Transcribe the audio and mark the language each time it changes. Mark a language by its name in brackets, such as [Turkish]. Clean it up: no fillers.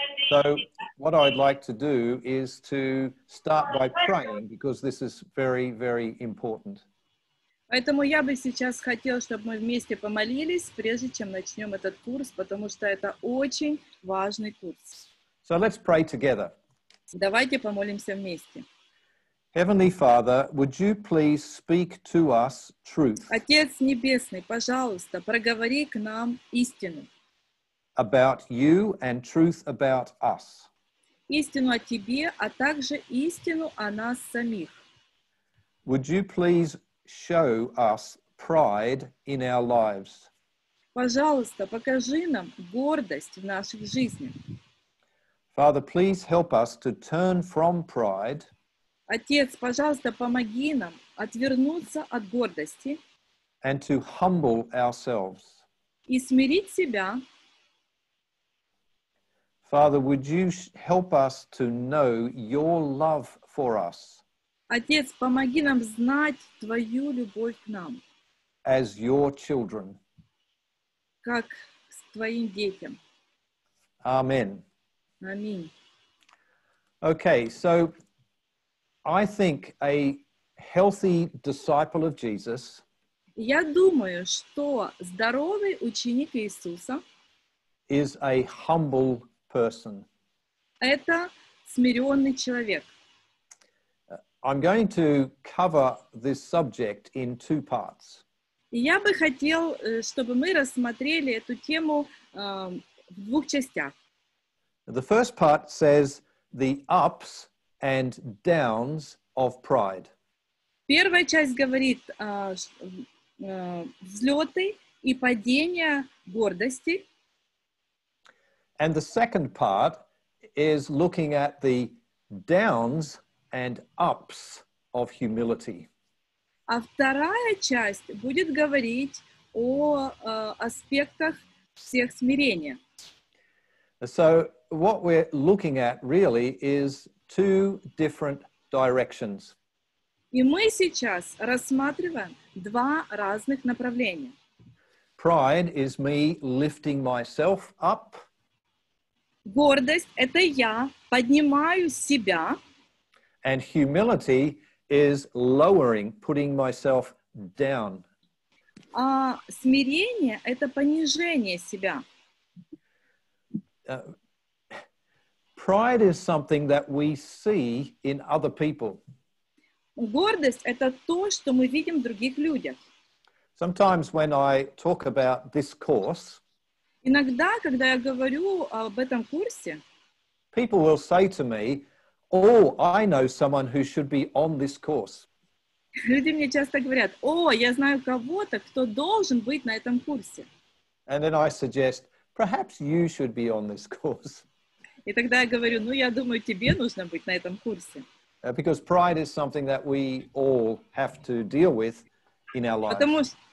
[English] So what I'd like to do is to start by praying, because this is very, very important. [Russian] Поэтому я бы сейчас хотел, чтобы мы вместе помолились, прежде чем начнем этот курс, потому что это очень важный курс. [English] So let's pray together. [Russian] Давайте помолимся вместе. [English] Heavenly Father, would you please speak to us truth? [Russian] Отец Небесный, пожалуйста, проговори к нам истину. [English] About you and truth about us. [Russian] Истину о тебе, а также истину о нас самих. [English] Would you please show us pride in our lives. [Russian] Пожалуйста, покажи нам гордость в наших жизнях. [English] Father, please help us to turn from pride. [Russian] Отец, пожалуйста, помоги нам отвернуться от гордости. [English] And to humble ourselves. [Russian] И смирить себя. [English] Father, would you help us to know your love for us? [Russian] Отец, помоги нам знать Твою любовь к нам. [English] As your children. [Russian] Как с Твоим детям. [English] Amen. [Russian] Аминь. [English] Okay, so I think a healthy disciple of Jesus. [Russian] Я думаю, что здоровый ученик Иисуса. [English] Is a humble person. [Russian] Это смиренный человек. [English] I'm going to cover this subject in two parts. [Russian] Я бы хотел, чтобы мы рассмотрели эту тему в двух частях. [English] The first part says the ups and downs of pride. [Russian] Первая часть говорит взлеты и падения гордости. [English] And the second part is looking at the downs and ups of humility. [Russian] А вторая часть будет говорить о аспектах всех смирения. [English] So what we're looking at really is two different directions. [Russian] И мы сейчас рассматриваем два разных направления. [English] Pride is me lifting myself up. [Russian] Гордость — это я поднимаю себя. [English] And humility is lowering, putting myself down. [Russian] А смирение — это понижение себя. [English] Pride is something that we see in other people. [Russian] Гордость — это то, что мы видим в других людях. [English] Sometimes when I talk about this course, [Russian] иногда, когда я говорю об этом курсе, [English] people will say to me, "Oh, I know someone who should be on this course." [Russian] Люди мне часто говорят: "О, я знаю кого-то, кто должен быть на этом курсе." [English] And then I suggest, "Perhaps you should be on this course." [Russian] И тогда я говорю: "Ну, я думаю, тебе нужно быть на этом курсе." [English] Because pride is something that we all have to deal with in our lives.